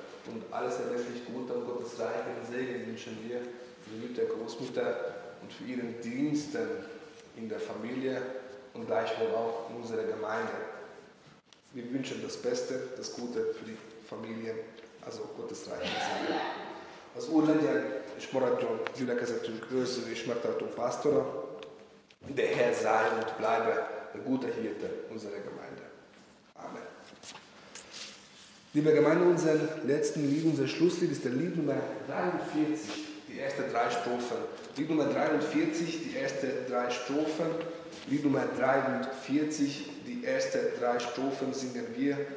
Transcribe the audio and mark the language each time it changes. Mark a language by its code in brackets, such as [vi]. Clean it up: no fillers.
[de] Und alles erdenklich Gute und Gottes Reich und Segen wünschen wir für die Mütter, Großmütter und für ihren Diensten in der Familie. Und gleichwohl auch in unserer Gemeinde. Wir wünschen das Beste, das Gute für die Familien, also Gottes Reich. [hu] Az Úr legyen, és maradjon gyülekezetünk őrző és megtartó pásztora, [de] de Herr sei und bleibe der gute Hirte unserer Gemeinde. Amen. Liebe Gemeinde, unser letzten Lied, unser Schlusslied ist der Lied Nummer 43, die ersten drei Strophen. Lied Nummer 43, die ersten drei Strophen. Lied Nummer 43, die ersten drei Strophen singen wir.